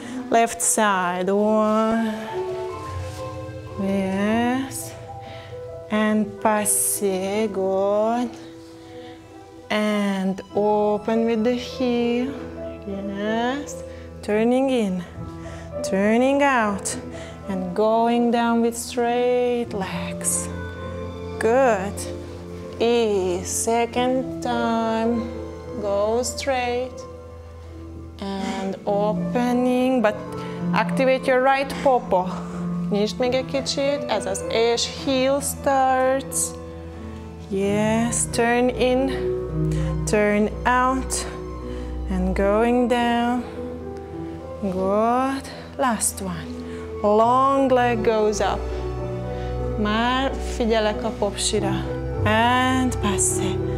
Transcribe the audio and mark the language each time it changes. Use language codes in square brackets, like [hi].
[en] Left side, one, yes, and passe, good, and open with the heel, yes, turning in, turning out, and going down with straight legs, good, e, second time, go straight, and opening, but activate your right popo. [hu] Nicht mega kicsit, ez az és [en] heel starts. Yes, turn in, turn out, and going down. Good, last one. Long leg goes up. [hu] Már figyelek a popsira. [en] And passe.